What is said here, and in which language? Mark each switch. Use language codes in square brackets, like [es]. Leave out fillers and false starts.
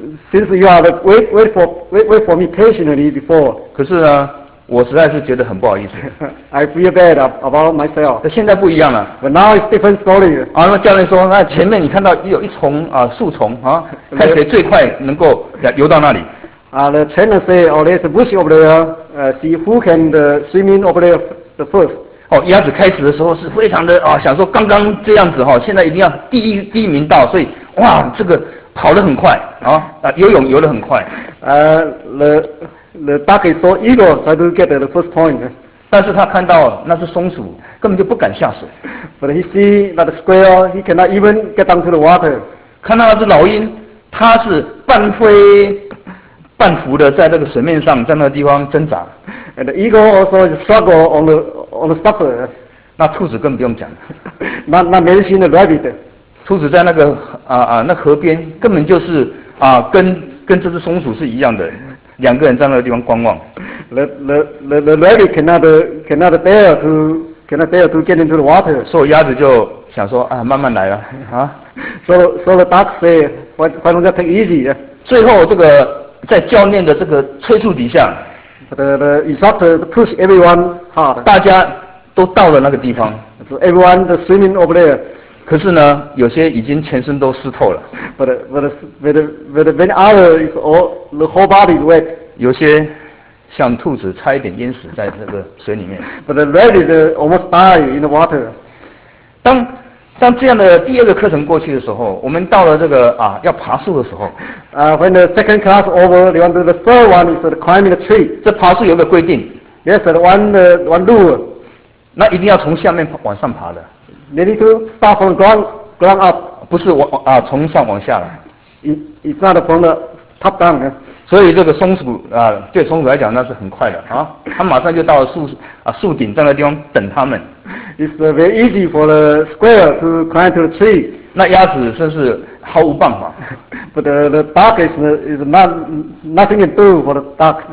[en] Since you are wait for me patiently before. [zh] 可是呢，我实在是觉得很不好意思。 [en] I feel bad about myself. [zh] 现在不一样了。 [en] But now it's different story. [zh] 啊，那教练说，那前面你看到有一丛啊树丛啊，看谁最快能够游到那里。 [en] The trainer say, oh, there's a bush over there. See who can swim in over there the first. [zh] 哦，鸭子开始的时候是非常的啊，想说刚刚这样子哈，现在一定要第一名到，所以哇，这个跑得很快啊，游泳游得很快。 [en] The duck is so eager try to get the first point. [zh] 但是他看到那是松鼠，根本就不敢下水。 [en] But he see that the squirrel, he cannot even get down to the water. [zh] 看到那只老鹰，它是半飞半浮的在那个水面上，在那个地方挣扎。 [en] And the eagle also struggle on the surface. [zh] 那兔子更不用讲。那没人信的 rabbit. 兔子在那个那河边，根本就是跟这只松鼠是一样的。两个人在那个地方观望。 [en] The rabbit cannot bear to get into the water. [zh] 所以鸭子就想说啊，慢慢来了啊。 [en] So the duck say, why don't you take easy? [zh] 最后这个在教练的这个催促底下 [en] ，the instructor push everyone hard. [zh] 大家都到了那个地方。 [en] So everyone the swimming over there. [zh] 可是呢，有些已经全身都湿透了。 [en] But many others is all the whole body is wet. [zh] 有些像兔子差一点淹死在这个水里面。 [en] But the rabbit almost died in the water. [zh] 当这样的第二个课程过去的时候，我们到了这个啊要爬树的时候。 [en] When the second class over, they want the third one is the climbing the tree. [zh] 这爬树有个规定。 [en] Yes, one rule. [zh] 那一定要从下面往上爬的。 [en] They need to start from ground up. [zh] 不是从上往下了。 [en] It's not from the top down. [zh] 所以这个松鼠对松鼠来讲那是很快的啊，它马上就到了树顶，在那地方等它们。 [en] It's very easy for the squirrel to climb to the tree. [zh] 那鸭子真是毫无办法。 [en] But the duck is nothing to do for the duck.